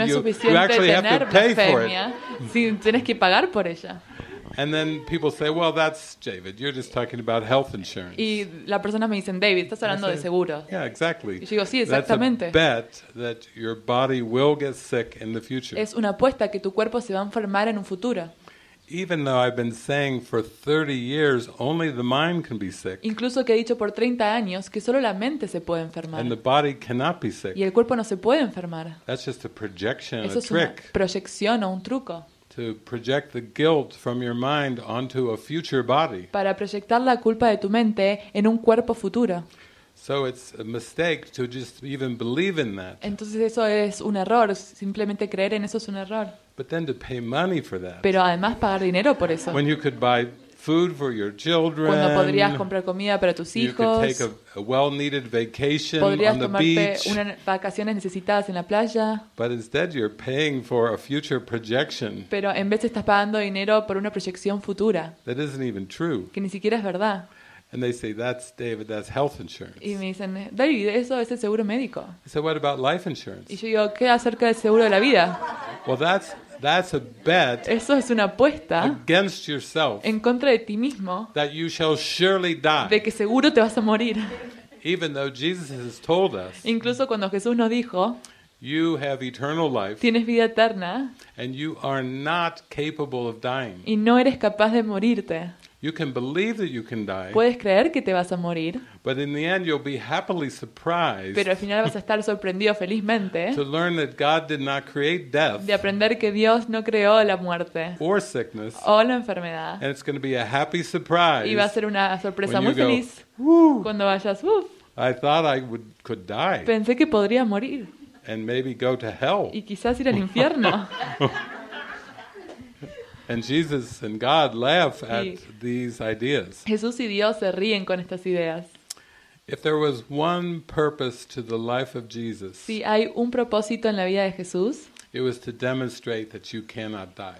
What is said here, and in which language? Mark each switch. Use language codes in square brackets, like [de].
[es] No es suficiente [en] you actually [es] tener [en] have to pay [es] blasfemia, [en] for it. [es] Si tienes que pagar por ella. [en] And then people say, "Well, that's David. You're just talking about health insurance." [es] Y la persona me dicen, "David, estás hablando de seguro." [en] Yeah, exactly. [es] Y yo digo, "Sí, exactamente." [en] That's a bet that your body will get sick in the future. [es] Es una apuesta que tu cuerpo se va a enfermar en un futuro. [en] Even though I've been saying for 30 years only the mind can be sick. [es] Incluso que he dicho por 30 años que solo la mente se puede enfermar. [en] And the body cannot be sick. [es] Y el cuerpo no se puede enfermar. [en] That's just a projection, a trick. [es] Eso es una proyección o un truco. [en] To project the guilt from your mind onto a future body. [es] Para proyectar la culpa de tu mente en un cuerpo futuro. [en] So it's a mistake to just even believe in that. [es] Entonces eso es un error. Simplemente creer en eso es un error. [en] But then to pay money for that. [es] Pero además pagar dinero por eso. [en] When you could buy food for your children. [es] Cuando podrías comprar comida para tus hijos. [en] You could take a well-needed vacation on the beach. [es] Podrías tomarte unas vacaciones necesitadas en la playa. [en] But instead you're paying for a future projection. [es] Pero en vez estás pagando dinero por una proyección futura. [en] That isn't even true. [es] Que ni siquiera es verdad. [en] And they say that's David, that's health insurance. [es] Y me dicen, David, eso es el seguro médico. [en] I said, what about life insurance? [es] Y yo digo, ¿qué acerca del seguro de la vida? [en] Well, that's a bet. [es] Eso es una apuesta [en] against yourself. [es] En contra de ti mismo. [en] That you shall surely die. [es] De que seguro te vas a morir. [en] Even though Jesus has told us. [es] Incluso cuando Jesús nos dijo. [en] You have eternal life. [es] Tienes vida eterna. [en] And you are not capable of dying. [es] Y no eres capaz de morirte. [en] You can believe that you can die. [es] Puedes creer que te vas a morir. [en] But in the end you'll be happily surprised. [es] Pero al final vas a estar sorprendido felizmente. [en] To learn that God did not create death. [es] De aprender que Dios no creó la muerte. [en] Or sickness. [es] O la enfermedad. [en] And it's going to be a happy surprise. [es] Y va a ser una sorpresa [en] when [es] muy [en] you [es] feliz. [en] Go, [es] cuando vayas, uf. [en] I thought I would could die. [es] Pensé que podría morir. [en] And maybe go to hell. [es] Y quizás ir al infierno. [en] And Jesus and God laugh at these ideas. [es] Jesús y Dios se ríen con estas ideas. [en] If there was one purpose to the life of Jesus. [es] Si hay un propósito en la vida de Jesús. [en] It was to demonstrate that you cannot die.